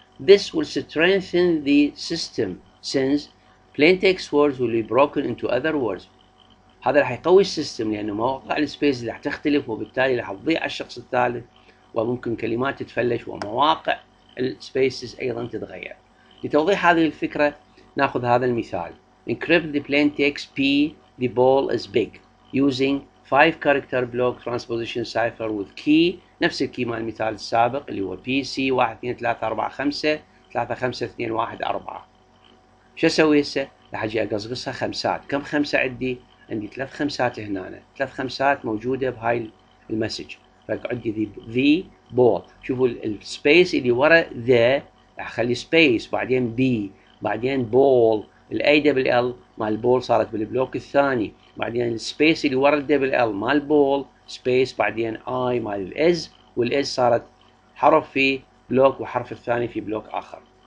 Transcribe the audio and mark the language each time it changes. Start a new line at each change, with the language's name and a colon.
English: This will strengthen the system since plain text words will be broken into other words،
Arabic: هذا راح يقوي السيستم لأنه مواقع السبيس راح تختلف، وبالتالي راح تضيع الشخص الثالث، وممكن كلمات تتفلش ومواقع السبيسز أيضا تتغير. لتوضيح هذه الفكرة نأخذ هذا المثال:
English: encrypt the plain text P the ball is big using 5 character block transposition cipher with key،
Arabic: نفس الكي مال المثال السابق اللي هو
English: PC 1 2 3 4 5 3 5 2 1 4.
Arabic: شو أسوي هسه؟ راح أجي أقصقصها خمسات، كم خمسة عندي؟ عندي 3 خمسات هنا، 3 خمسات موجودة بهاي المسج، فعندي the ball، شوفوا السبيس اللي ورا the راح اخلي سبيس، بعدين b، بعدين ball، ال a double l مال ball صارت بالبلوك الثاني، بعدين السبيس اللي ورا ال double l مال ball سبيس، بعدين i مال ال s، وال s صارت حرف في بلوك وحرف الثاني في بلوك اخر.